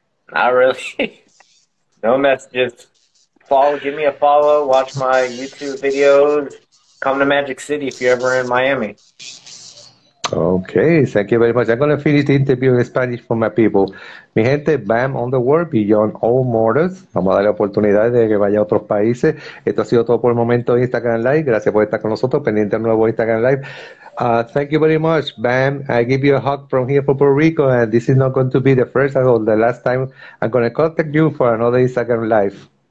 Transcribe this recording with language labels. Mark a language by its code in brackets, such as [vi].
[en] Not really. No messages. follow, give me a follow, watch my YouTube videos. Come to Magic City if you're ever in Miami. Okay, thank you very much. I'm going to finish the interview in Spanish for my people. [es] Mi gente, BAM Underworld, Beyond All Mortals. Vamos a darle oportunidad de que vaya a otros países. Esto ha sido todo por el momento en Instagram Live. Gracias por estar con nosotros, pendiente al nuevo Instagram Live. [en] Thank you very much, BAM. I give you a hug from here for Puerto Rico, and this is not going to be the first or the last time I'm going to contact you for another Instagram Live.